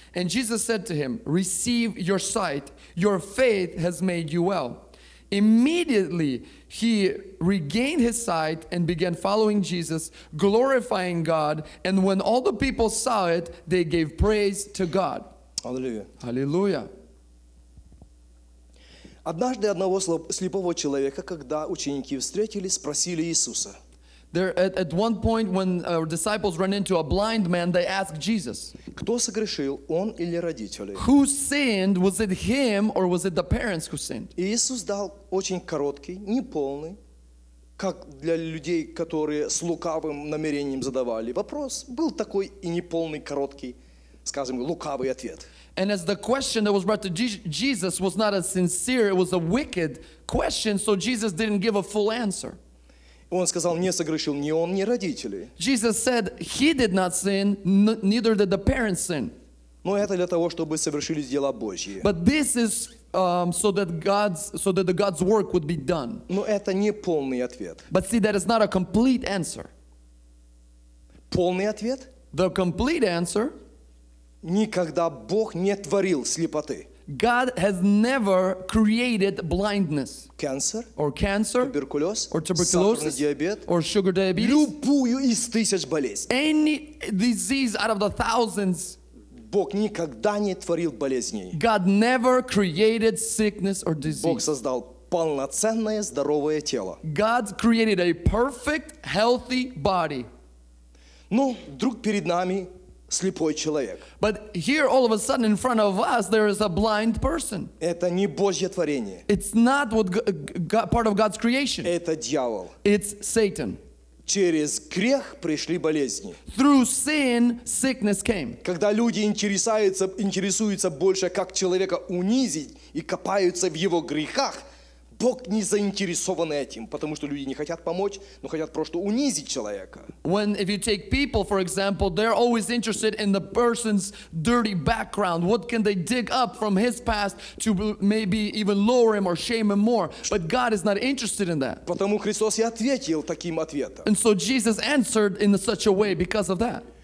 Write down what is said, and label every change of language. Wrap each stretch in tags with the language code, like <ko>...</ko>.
<en>And Jesus said to him, Receive your sight. Your faith has made you well. Immediately he regained his sight and began following Jesus, glorifying God. And when all the people saw it, they gave praise to God. Hallelujah.</en> <ru>Однажды одного слепого человека, когда ученики встретились, спросили Иисуса.</ru> <en>There at one point when our disciples run into a blind man, they ask Jesus.</en> <ru>Кто согрешил, он или родители?</ru> <en>Who sinned? Was it him or was it the parents who sinned?</en> <ru>Иисус дал очень короткий, неполный, как для людей, которые с лукавым намерением задавали вопрос, был такой и неполный, короткий, скажем, лукавый ответ.</ru> <en>And as the question that was brought to Jesus was not a sincere, it was a wicked question, so Jesus didn't give a full answer.</en> <ru>Он сказал, не согрешил ни он, ни родители.</ru> <en>Jesus said, he did not sin, neither did the parents sin.</en> <ru>Но это для того, чтобы совершились дела Божьи.</ru> <en>But this is so that God's work would be done.</en> <ru>Но это не полный ответ.</ru> <en>But see, that is not a complete answer.</en> <ru>Полный ответ?</ru> <en>The complete answer.</en> <ru>Никогда Бог не творил слепоты.</ru> <en>God has never created blindness. Cancer? Or cancer? Tuberculosis? Or tuberculosis?</en> <ru>Сахарный диабет?</ru> <en>Or sugar diabetes?</en> <ru>Любую из тысяч болезней.</ru> <en>Any disease out of the thousands.</en> <ru>Бог никогда не творил болезней.</ru> <en>God never created sickness or disease.</en> <ru>Бог создал полноценное здоровое тело.</ru> <en>God created a perfect, healthy body.</en> <ru>Ну, вдруг перед нами слепой человек.</ru> <en>But here all of a sudden in front of us there is a blind person.</en> <ru>Это не Божье творение.</ru> <en>It's not what God, part of God's creation.</en> <ru>Это дьявол.</ru> <en>It's Satan.</en> <ru>Через грех пришли болезни.</ru> <en>Through sin, sickness came.</en> <ru>Когда люди интересуются больше, как человека унизить и копаются в его грехах, Бог не заинтересован этим, потому что люди не хотят помочь, но хотят просто унизить человека.</ru> <en>When if you take people, for example, they're always interested in the person's dirty background. What can they dig up from his past to maybe even lower him or shame him more? But God is not interested in that.</en> <ru>Потому Христос и ответил таким ответом.</ru> <en>And so Jesus answered in such a way because of that.</en>